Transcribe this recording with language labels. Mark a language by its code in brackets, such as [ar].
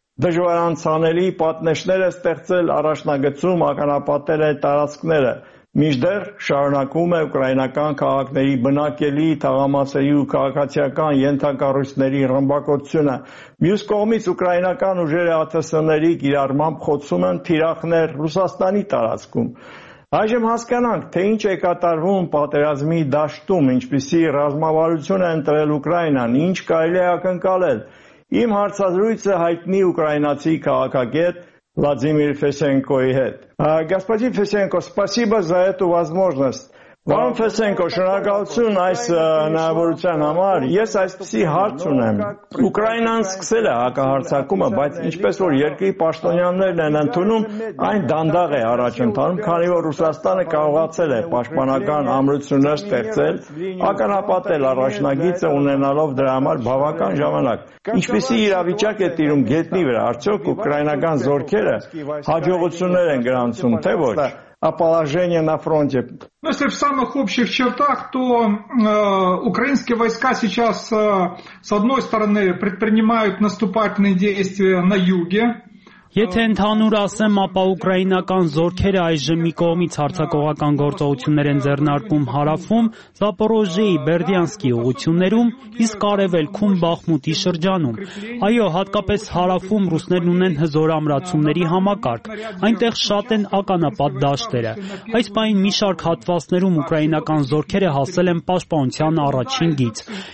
[hy] դժվարանցանելի պատնեշները ստեղծել, առաջնագծում ականապատել է տարածքները, միջդեռ շարունակվում է ուկրաինական քաղաքների բնակելի թաղամասերի ու քաղաքացիական ենթակառույցների ռմբակոծությունը, մյուս կողմից ուկրաինական ուժերը ԱԹՍ-ների կիրառմամբ խոցում են թիրախներ Ռուսաստանի տարածքում, այժմ հասկանանք, թե ինչ է կատարվում պատերազմի դաշտում, ինչպիսի ռազմավարություն է ընտրել Ուկրաինան, ինչ կարելի է ակնկալել, իմ հարցազրույցը հայտնի ուկրաինացի քաղաքագետ Владимир Фесенко и хет. [ru] Господин Фесенко, спасибо за эту возможность. Вам, [hy] Фесенко, շնորհակալություն այս հնարավորության համար. Ես այսպեսի հարց ունեմ. Ուկրաինան սկսել է հակահարձակումը, բայց ինչպես որ երկրի պաշտոնյաներն են ընդունում, այն դանդաղ է առաջ ընթանում, քանի որ Ռուսաստանը կարողացել է պաշտպանական ամրություններ ստեղծել, ականապատել առաջնագիծը ունենալով դրա համար բավական ժամանակ։ Ինչպեսի իրավիճակ է տիրում գետնի վրա, արդյոք ուկրաինական զորքերը հաջողություններ են գրանցում, թե ոչ? [ru] О положении на фронте. Ну, если в самых общих чертах, то украинские войска сейчас, с одной стороны, предпринимают наступательные действия на юге. [hy] Եթե ընդհանուր ասեմ, ապա ուկրաինական զորքերը այժմ մի կողմից հարձակողական գործողություններ են ձեռնարկում Հարավում, Զապորոժիի, Բերդյանսկի ուղություններում, իսկ արևելքում Բախմուտի շրջանում։ Այո, հատկապես Հարավում ռուսներն ունեն հզոր ամրացումների համակարգ, այնտեղ շատ են ականապատ դաշտերը։ Այս պահին մի շարք հատվածներում ուկրաինական զորքերը հասել են պաշտպանության առաջին գիծ,